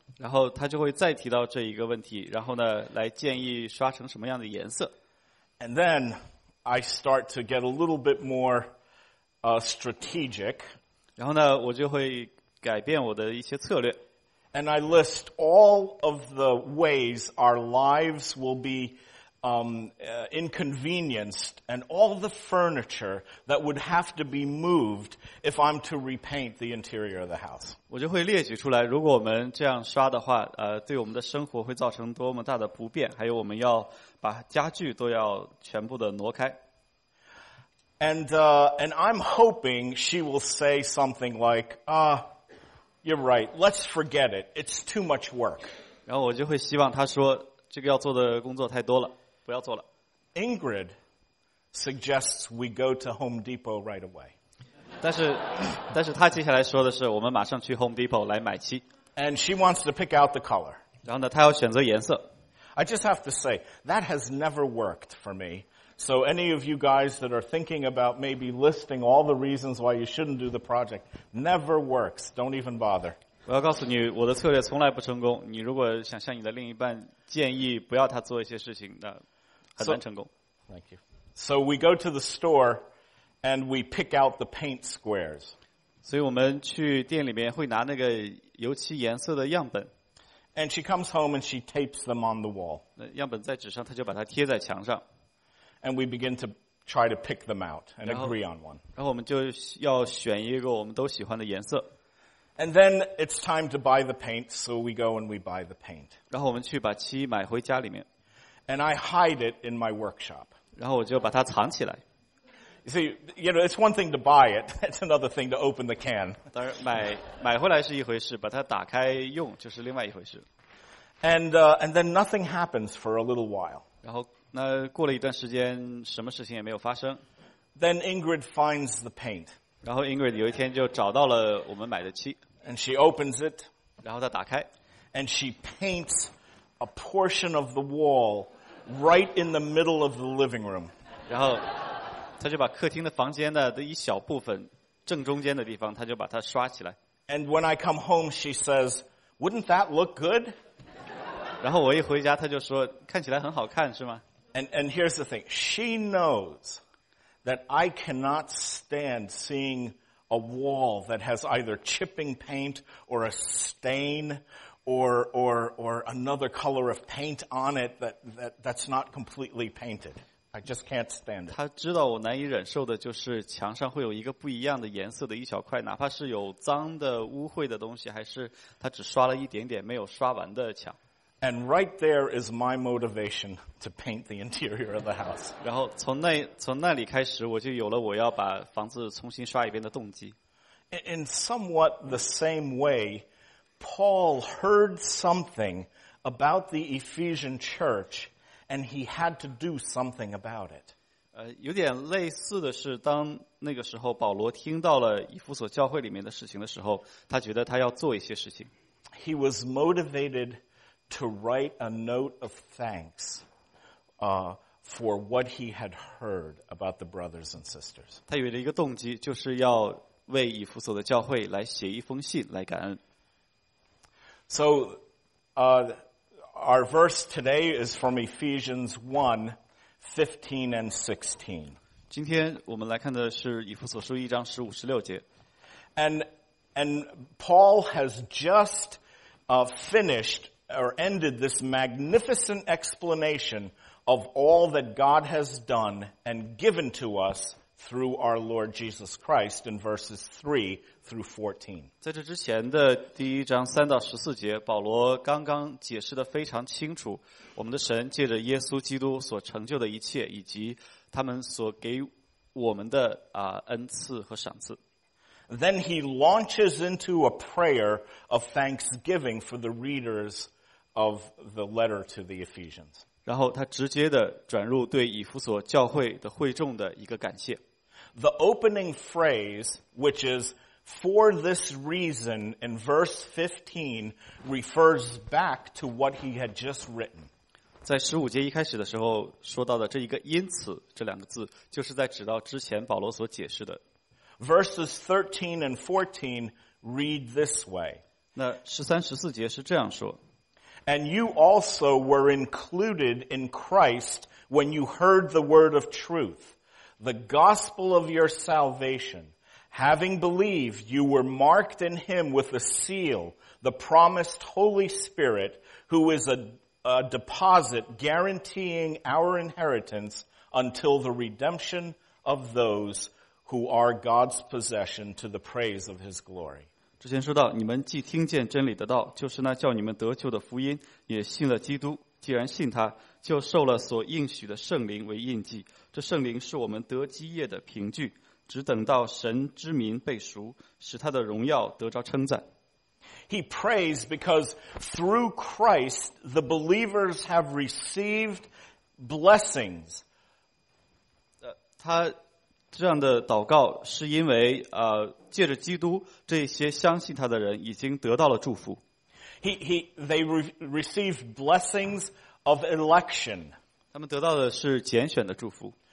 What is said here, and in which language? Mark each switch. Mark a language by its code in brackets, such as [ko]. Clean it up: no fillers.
[zh] 然后他就会再提到这一个问题，然后呢，来建议刷成什么样的颜色。 [en] And then I start to get a little bit more strategic. [zh] 然后呢，我就会改变我的一些策略。 [en] And I list all of the ways our lives will be inconvenienced and all the furniture that would have to be moved if I'm to repaint the interior of the house. [zh] 我就会列举出来，如果我们这样刷的话，对我们的生活会造成多么大的不便，还有我们要把家具都要全部的挪开。 [en] And I'm hoping she will say something like, you're right, let's forget it. It's too much work. [zh] 然后我就会希望她说，这个要做的工作太多了。不要做了。 [en] Ingrid suggests we go to Home Depot right away. [zh] 但是他接下来说的是我们马上去 Home Depot 来买漆。 [en] And she wants to pick out the color. [zh] 然后呢他要选择颜色。 [en] I just have to say, that has never worked for me. So any of you guys that are thinking about maybe listing all the reasons why you shouldn't do the project, never works. Don't even bother. [zh] 我要告诉你我的策略从来不成功。你如果想向你的另一半建议不要他做一些事情，那很难成功。 [en] Thank you. So we go to the store and we pick out the paint squares. [zh] 所以我们去店里面会拿那个油漆颜色的样本。 [en] And she comes home and she tapes them on the wall. [zh] 样本在纸上，她就把它贴在墙上。 [en] And we begin to try to pick them out and agree on one. [zh] 然后我们就要选一个我们都喜欢的颜色。 [en] And then it's time to buy the paint, so we go and we buy the paint. [zh] 然后我们去把漆买回家里面。 [en] And I hide it in my workshop. [zh] 然后我就把它藏起来。 [en] You see, you know, it's one thing to buy it, it's another thing to open the can. [zh] 当然买回来是一回事，把它打开用就是另外一回事。 [en] And then nothing happens for a little while. [zh] 然后那过了一段时间，什么事情也没有发生。 [en] Then Ingrid finds the paint. [zh] 然后 Ingrid 有一天就找到了我们买的漆。 [en] And she opens it. [zh] 然后她打开。 [en] And she paints a portion of the wall right in the middle of the living room. [zh] 然后她就把客厅的房间的一小部分正中间的地方她就把它刷起来。 [en] And when I come home, she says, wouldn't that look good? [zh] 然后我一回家她就说看起来很好看是吗 [en] and here's the thing, she knows,that I cannot stand seeing a wall that has either chipping paint or a stain or another color of paint on it that's not completely painted. I just can't stand it. [zh] 他知道我难以忍受的就是墙上会有一个不一样的颜色的一小块，哪怕是有脏的污秽的东西，还是他只刷了一点点没有刷完的墙。 [en] And right there is my motivation to paint the interior of the house. [zh] 然后从那里开始，我就有了我要把房子重新刷一遍的动机。 [en] In somewhat the same way, Paul heard something about the Ephesian church, and he had to do something about it. [zh] 有点类似的是，当那个时候保罗听到了以弗所教会里面的事情的时候，他觉得他要做一些事情。 [en] He was motivated to write a note of thanks, for what he had heard about the brothers and sisters. [zh] 他有了一个动机，就是要为以弗所的教会来写一封信来感恩。 [en] So, our verse today is from Ephesians 1:15 and 16. [zh] 今天我们来看的是以弗所书一章十五十六节。 [en] And Paul has just finished or ended this magnificent explanation of all that God has done and given to us. Through our Lord Jesus Christ in verses 3 through 14. [zh] 在这之前的第一章三到十四节，保罗刚刚解释的非常清楚，我们的神借着耶稣基督所成就的一切，以及他们所给我们的恩赐和赏赐。 [en] Then he launches into a prayer of thanksgiving for the readers of the letter to the Ephesians. [zh] 然后他直接的转入对以弗所教会的会众的一个感谢。 [en] The opening phrase, which is for this reason in verse 15, refers back to what he had just written. [zh] 在十五节一开始的时候说到的这一个因此这两个字，就是在指到之前保罗所解释的。 [en] Verses 13 and 14 read this way. [zh] 那十三十四节是这样说。 [en] And you also were included in Christ when you heard the word of truth, the gospel of your salvation. Having believed, you were marked in him with a seal, the promised Holy Spirit, who is a deposit guaranteeing our inheritance until the redemption of those who are God's possession to the praise of his glory. [zh] 之前说到，你们既听见真理的道，就是那叫你们得救的福音，也信了基督。既然信他，就受了所应许的圣灵为印记。这圣灵是我们得基业的凭据，只等到神之名被赎，使他的荣耀得着称赞。 [en] He prays because through Christ the believers have received blessings. [zh] 他这样的祷告是因为借着基督，这些相信他的人已经得到了祝福。 [en] They receive blessings of election. [zh] 他们得到的是拣选的祝福。